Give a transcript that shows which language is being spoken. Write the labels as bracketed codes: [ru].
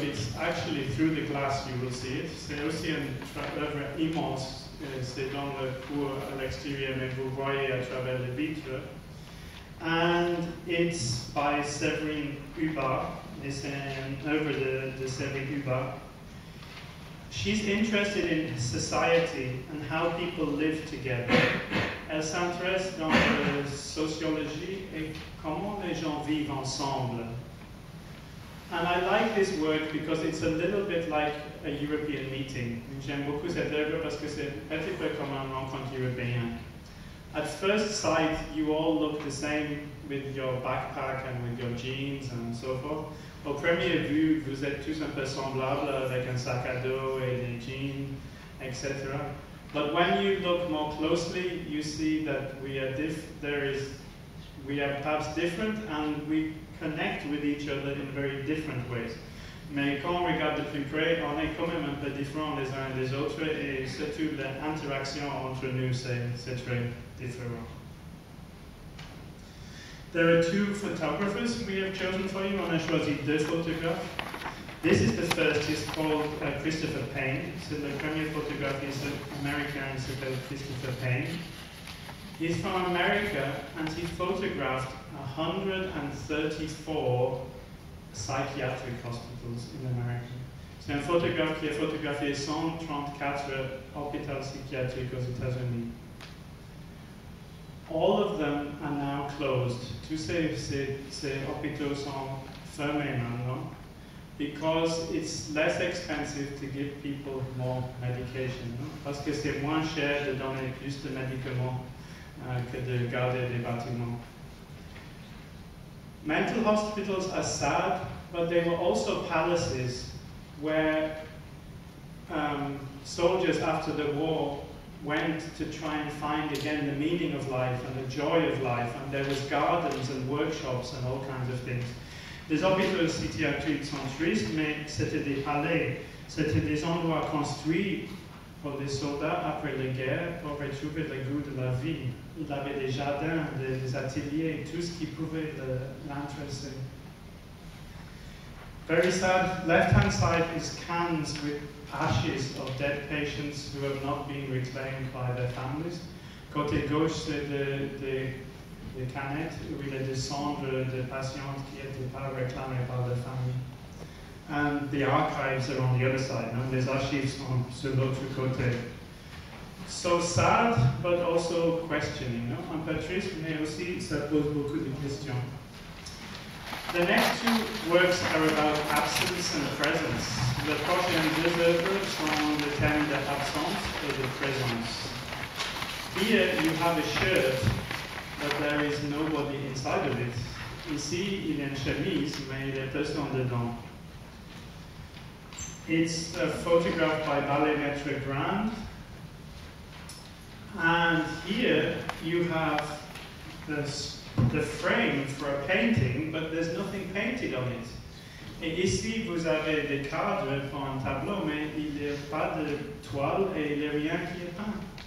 [en] It's actually through the glass you will see it. [fr] C'est aussi un œuvre immense. C'est dans le cours à l'extérieur, mais vous voyez à travers les vitres. [en] And it's by Séverine Hubbard. It's an [fr] œuvre de [en] Séverine Hubbard. She's interested in society and how people live together. [fr] Elle s'intéresse dans la sociologie et comment les gens vivent ensemble. [en] And I like this work because it's a little bit like a European meeting. [fr] J'aime beaucoup cette œuvre parce que c'est un petit peu comme un rencontre européen. [en] At first sight, you all look the same with your backpack and with your jeans and so forth. [fr] Au premier vue, vous êtes tous un peu semblables avec un sac à dos et des jeans, etc. [en] But when you look more closely, you see that we are perhaps different and we connect with each other in very different ways. [fr] Mais quand on regarde de plus près, on est quand même un peu différents les uns des autres et surtout l'interaction entre nous, c'est très différent. [en] There are two photographers we have chosen for you. [fr] On a choisi deux photographes. [en] This is the first, it's called Christopher Payne. So the [fr] premier photographe [en] is an American, so called Christopher Payne. He's from America and he photographed 134 psychiatric hospitals in America. [fr] C'est un photographe qui a photographié 134 hôpitaux psychiatriques aux États-Unis. [en] All of them are now closed. [fr] Tous ces hôpitaux sont fermés maintenant [en] because it's less expensive to give people more medication. No? [fr] Parce que c'est moins cher de donner plus de médicaments que de garder des bâtiments. [en] Mental hospitals are sad, but they were also palaces where soldiers after the war went to try and find again the meaning of life and the joy of life, and there was gardens and workshops and all kinds of things. [fr] Les hôpitaux psychiatriques sont tristes, mais c'était des palais. C'était des endroits construits pour les soldats après la guerre pour retrouver le goût de la vie. Il avait des jardins, des ateliers, tout ce qui pouvait l'intéresser. [en] Very sad. Left-hand side is cans with ashes of dead patients who have not been reclaimed by their families. [fr] Côté gauche, c'est des canettes où il y a des cendres de patients qui n'étaient pas réclamés par leur famille. [en] And the archives are on the other side. No? [fr] Les archives sont sur l'autre côté. [en] So sad, but also questioning. No? [fr] Un peu triste, mais aussi ça pose beaucoup de questions. [en] The next two works are about absence and presence. [fr] Le prochain deux œuvres sont le thème de absence et de présence. [en] Here you have a shirt, but there is nobody inside of it. [fr] Ici, il y a une chemise, mais il y a personne dedans. [en] It's a photograph by Ballet-Maître Grand. And here you have the frame for a painting, but there's nothing painted on it. [fr] Et ici, vous avez des cadres pour un tableau, mais il n'y a pas de toile et il n'y a rien qui est peint.